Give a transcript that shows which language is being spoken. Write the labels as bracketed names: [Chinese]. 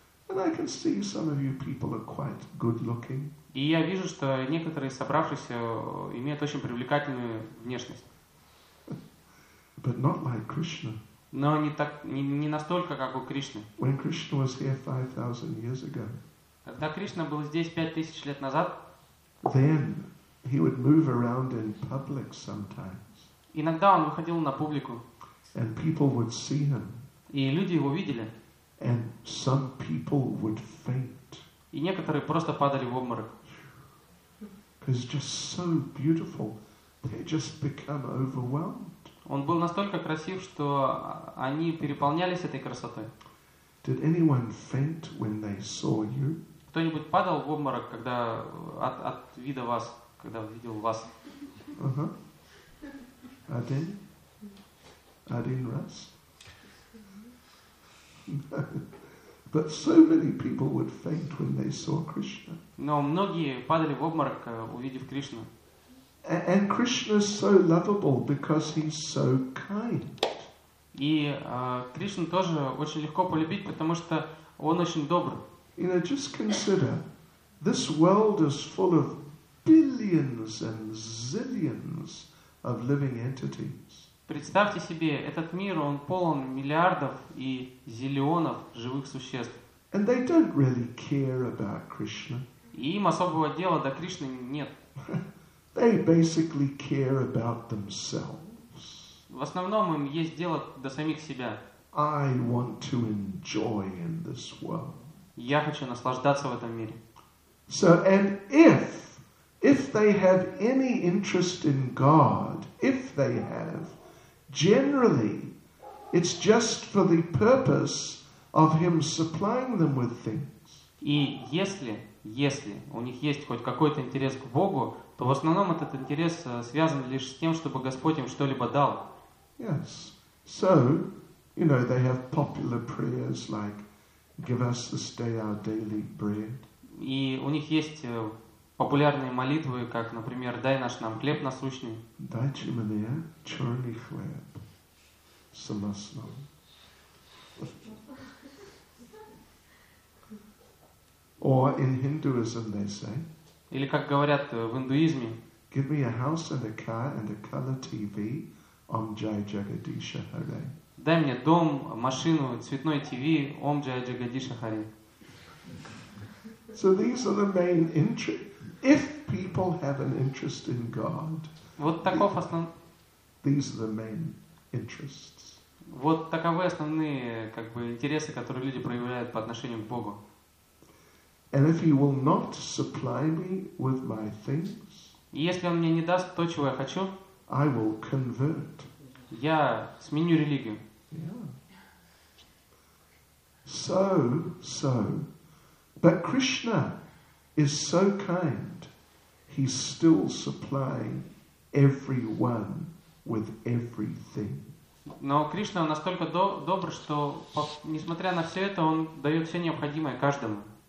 [English] And I can see some of you people are quite good looking. [Russian] И я вижу, что некоторые собравшиеся имеют очень привлекательную внешность. [English] But not like Krishna. [Russian] Но не настолько, как у Кришны. [English] When Krishna was here 5,000 years ago. [Russian] Когда Кришна был здесь 5,000 лет назад. [English] Then he would move around in public sometimes. [Russian] Иногда он выходил на публику. [English] And people would see him. [Russian] И люди его видели. [English] And some people would faint. [Russian] И некоторые просто падали в обморок. [English] Because just so beautiful, they just become overwhelmed. [Russian] Он был настолько красив, что они переполнялись этой красотой. [English] Did anyone faint when they saw you? [Russian] Кто-нибудь падал в обморок, когда от вида вас, когда видел вас? Ага. Один раз. [English] But so many people would faint when they saw Krishna. [Russian] Но многие падали в обморок, увидев Кришну. [English] And Krishna is so lovable because he's so kind. [Russian] И Кришну тоже очень легко полюбить, потому что он очень добр. [English] You know, just consider, this world is full of billions and zillions of living entities. [Russian] Представьте себе, этот мир, он полон миллиардов и зиллионов живых существ. [English] And they don't really care about Krishna. [Russian] И им особого дела до Кришны нет. [English] They basically care about themselves. [Russian] В основном им есть дело до самих себя. [English] I want to enjoy in this world. [Russian] Я хочу наслаждаться в этом мире. [English] So, and if they have any interest in God, if they have, generally, it's just for the purpose of Him supplying them with things. [Russian] И если у них есть хоть какой-то интерес к Богу, то в основном этот интерес связан лишь с тем, чтобы Господь им что-либо дал. [English] Yes. So, you know, they have popular prayers like, give us this day our daily bread. [Russian] И у них есть популярные молитвы, как, например, «Дай наш нам хлеб насущный». «Дайте мне черный хлеб с маслом». [English] Or in Hinduism, they say, [Russian] или как говорят в индуизме, [English] «Give me a house and a car and a color TV, Om Jai Jagadisha Hare». [Russian] Дай мне дом, машину, цветной ТВ, Ом Джая Джагадиша Хари. [English] So these are the main interest. If people have an interest in God, [Russian] вот таков основ... [English] these are the main interests. [Russian] Вот таковы основные, как бы, интересы, которые люди проявляют по отношению к Богу. [English] And if He will not supply me with my things, [Russian] если Он мне не даст то, чего я хочу, [English] I will convert. [Russian] Я сменю религию. [English] Yeah. So, but Krishna is so kind, he's still supplying everyone with everything. [Russian] Но Кришна настолько добр, что несмотря на все это, он дает все необходимое каждому.